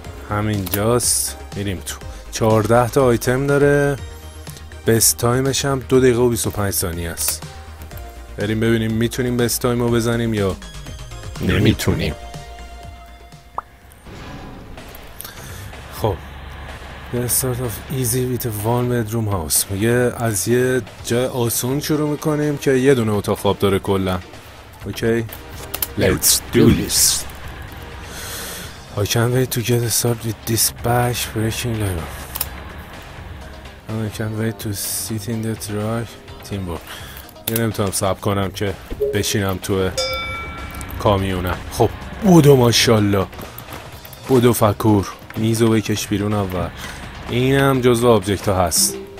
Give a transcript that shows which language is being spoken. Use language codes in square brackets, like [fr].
[fa] همینجاست میریم تو. 14 تا آیتم داره، بست تایمش هم 2 دقیقه و 25 ثانیه است. بریم ببینیم میتونیم بست تایم رو بزنیم یا نمیتونیم. [en] خب let's start off easy with a one bedroom house. [fa] میگه از یه جای آسون شروع میکنیم که یه دونه اتاق خواب داره کلا. اوکی [en] let's do this. I can't wait to get started with this bash breaking level. And I can't wait to sit in the truck. Teamwork. [fa] یه نمیتونم صبر کنم که بشینم تو کامیونم. خب بودو ماشاءالله. بودو فکور. میزو بکش بیرون اول. اینم جزو آبجکت ها هست.